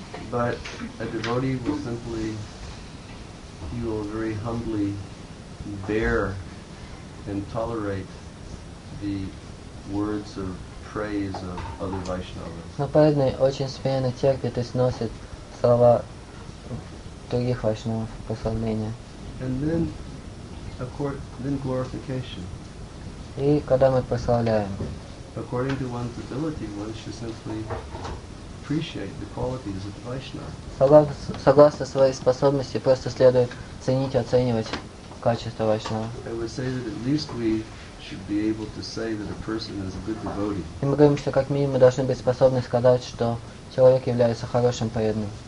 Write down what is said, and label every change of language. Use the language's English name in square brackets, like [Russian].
[English] But a devotee will simply, he will very humbly bear and tolerate the words of praise of other Vaishnavas. [Russian] Но преданный очень смиренно терпит и сносит слова других Вайшнавов, прославления. [English] And then, glorification. [Russian] И когда мы прославляем. [English] According to one's ability, one should simply appreciate the qualities of the Vaishnava. [Russian] Согласно своей способности, просто следует ценить и оценивать качество Вайшнава. [English] I would say that at least we should be able to say that a person is a good devotee. [Russian] И мы говорим, что как минимум мы должны быть способны сказать, что человек является хорошим преданным.